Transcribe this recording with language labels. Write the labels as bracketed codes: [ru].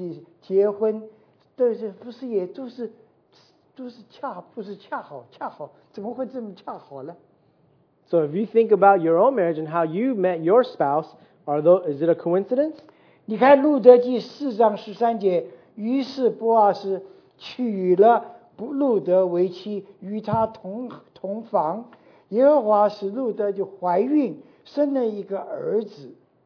[zh] 你们再想想看，你们自己结婚，都是不是也都是？都是恰好，怎么会这么恰好呢？ [en] So if you think about your own marriage and how you met your spouse, is it a coincidence? [zh] 你看路德记四章十三节，于是波阿斯娶了路德为妻，与他同房，耶和华使路德就怀孕，生了一个儿子。